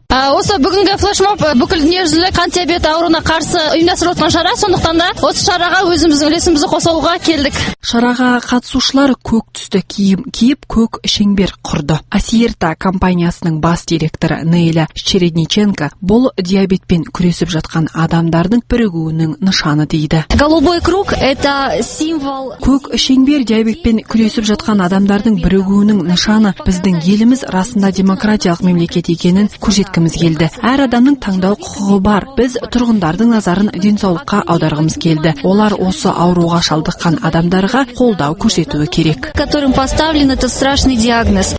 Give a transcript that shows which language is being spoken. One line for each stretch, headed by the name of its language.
Kazakh: Осы бүгінгі флешмоб бүкіл дүниежүзілік қант диабеті ауруына қарсы ұйымдастырылып отырған шара, сондықтан да осы шараға өзіміздің үлесімізді қосауға келдік. Шараға қатысушылар көк түсті киім киіп, көк шеңбер құрды. Асиерта компаниясының бас директоры Нейля Чередниченко бұл диабетпен күресіп жатқан адамдардың бірігуінің нышаны дейді.
Russian: Голубой круг это символ.
Kazakh: Көк шеңбер диабетпен күресіп жатқан адамдардың бірігуінің нышаны біздің еліміз расында демократиялық мемлекет екенін көрсеткіміз келді. Әр адамның таңдау құқығы бар. Біз тұрғындардың назарын денсаулыққа аударғымыз келді. Олар осы ауруға шалдыққан адамдарға қолдау көрсетуі керек.
Russian: Которым поставлен этот страшный диагноз.